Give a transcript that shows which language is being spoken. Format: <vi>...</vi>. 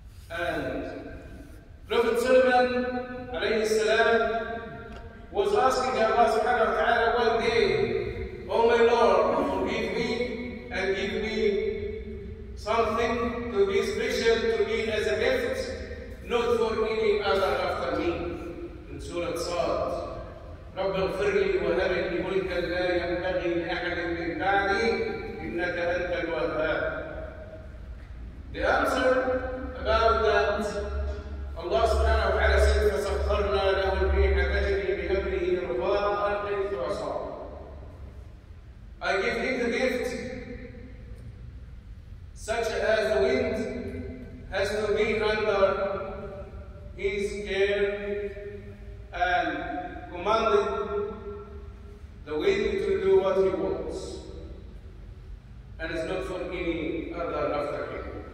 <en>And Prophet Solomon, alayhi salam, was asking Allah subhanahu wa ta'ala one day, "Oh my Lord, forgive me and give me something to be special to me as a gift, not for any other after me." In Surah Sad,</en> <ar>رَبَّ اغْفِرْلِي وَهَبْلِي مُلْكَ لَا يَنْبَغِي لِأَحَدٍ مِنْ بَعْدِي إِنَّكَ أَنْتَ الْوَهَّابُ.</ar> <en>The answer about that, Allah subhanahu wa ta'ala said,</en> <ar>فَسَخَّرْنَا لَهُ الْرِيحَ تَجْرِي بِأَمْرِهِ رُخَاءً حَيْثُ أَصَابَ.</ar> <en>I give him the gift such as the wind has to be under his care, and commanded the wind to do what he wants, and it's not for any other after him.</en>